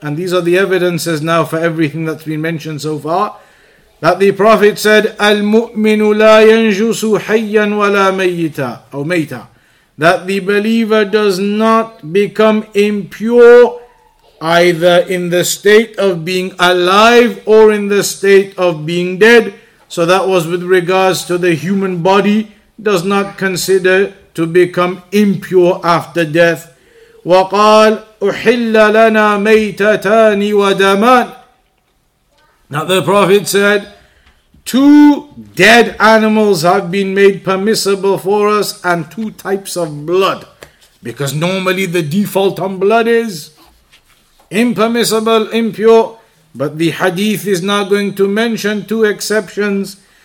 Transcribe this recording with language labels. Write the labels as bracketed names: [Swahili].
[English] And these are the evidences now for everything that's been mentioned so far, that the Prophet said, [Arabic] الْمُؤْمِنُ لَا يَنْجُسُ حَيًّا وَلَا مَيِّتًا أو مَيْتًا, [English] that the believer does not become impure either in the state of being alive or in the state of being dead. So that was with regards to the human body, does not consider to become impure after death. [Arabic] وقال أحل لنا ميتتان ودمان. [English] Now the Prophet said, two dead animals have been made permissible for us, and two types of blood. Because normally the default on blood is impermissible, impure. But the hadith is now going to mention two exceptions.